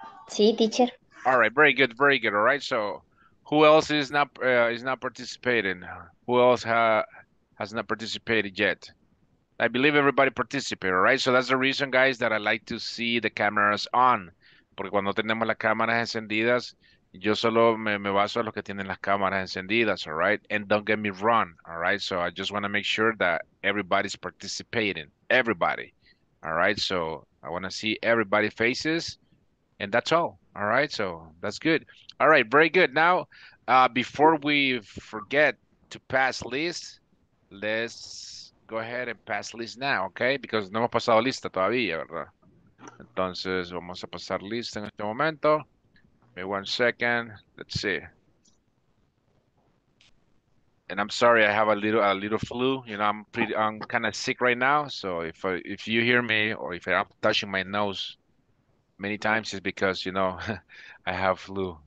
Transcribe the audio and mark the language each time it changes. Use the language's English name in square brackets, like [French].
[Spanish] Sí, teacher. [English] All right. Very good. All right. So who else is not participating? Who else has not participated yet? I believe everybody participated, all right? So that's the reason, guys, that I like to see the cameras on. [Spanish] Porque cuando tenemos las cámaras encendidas, yo solo me baso a los que tienen las cámaras encendidas, [English] all right? And don't get me wrong, all right? So I just want to make sure that everybody's participating. Everybody, all right? So I want to see everybody's faces, and that's all right? So that's good. All right, very good. Now, before we forget to pass list, let's go ahead and pass list now, okay? [Spanish] Because no hemos pasado lista todavía, ¿verdad? Entonces, vamos a pasar lista en este momento. [English] Wait one second. Let's see. And I'm sorry, I have a little flu. You know, I'm kind of sick right now. So if you hear me or if I'm touching my nose many times, it's because, you know, I have flu.